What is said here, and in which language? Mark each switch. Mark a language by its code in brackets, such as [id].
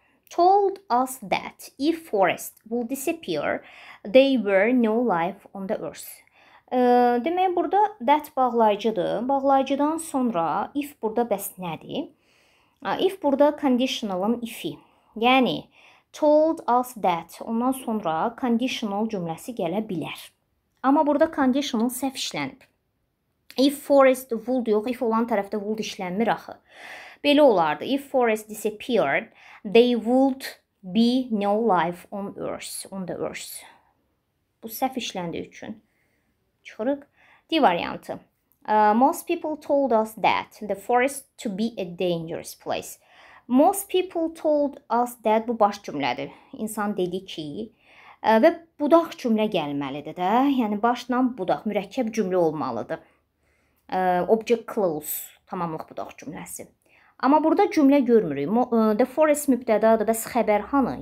[en] Told us that if forest will disappear, there were no life on the earth. [az] Demək, burada that bağlayıcıdır. Bağlayıcıdan sonra if burada bəs nədir? If burada conditional'ın if'i. Yəni, [en] told us that. [az] Ondan sonra conditional cümləsi gələ bilər. Amma burada conditional səhv işlənib. [en] If forest would [az] yox, if olan tərəfdə would işlənmir axı. Belə olardı. [en] If forest disappeared, there would be no life on earth. On the earth. [az] Bu səhv işləndiyi üçün. Çıxırıq. D variantı. [en] Most people told us that the forest to be a dangerous place. Most people told us that [az] bu baş cümlədir. İnsan dedi ki, və budaq cümlə gəlməlidir də. Yəni, başla budaq, mürəkkəb cümlə olmalıdır. Object clause, tamamlıq budaq cümləsi. Amma burada cümlə görmürük. The forest mübtədadır, bəs xəbər hanı?